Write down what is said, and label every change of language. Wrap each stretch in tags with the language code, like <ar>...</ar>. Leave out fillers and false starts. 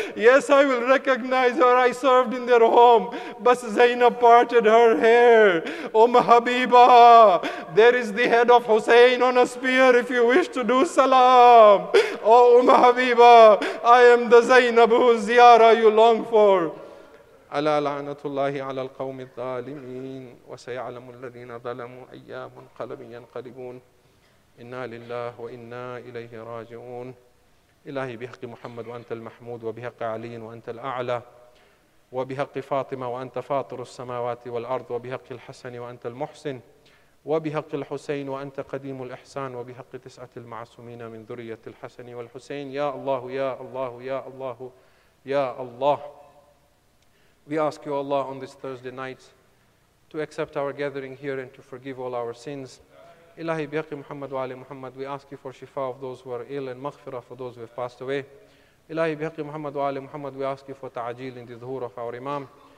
<en>"Yes, I will recognize her. I served in their home." But Zainab parted her hair. "Habiba, there is the head of Hussein on a spear if you wish to do salam." "O Habiba, I am the Zainab whose ziyarah you long for."</en> <ar>ألا لعنة الله على القوم الظالمين وسيعلم الذين ظلموا أي منقلب ينقلبون إنا لله وإنا إليه راجعون. إلهي بحق محمد وأنت المحمود وبحق علي وأنت الأعلى وبحق فاطمة وأنت فاطر السماوات والأرض وبحق الحسن وأنت المحسن وبحق الحسين وأنت قديم الإحسان وبحق تسعة المعصومين من ذرية الحسن والحسين. يا الله يا الله يا الله يا الله.</ar> <en>We ask you, Allah, on this Thursday night to accept our gathering here and to forgive all our sins.</en> <ar>Ilahi bihaqi Muhammad wa ali Muhammad,</ar> <en>we ask you for shifa of those who are ill and maghfira for those who have passed away.</en> <ar>Ilahi bihaqi Muhammad wa ali Muhammad,</ar> <en>we ask you for ta'ajil in the dhuhur of our imam.</en>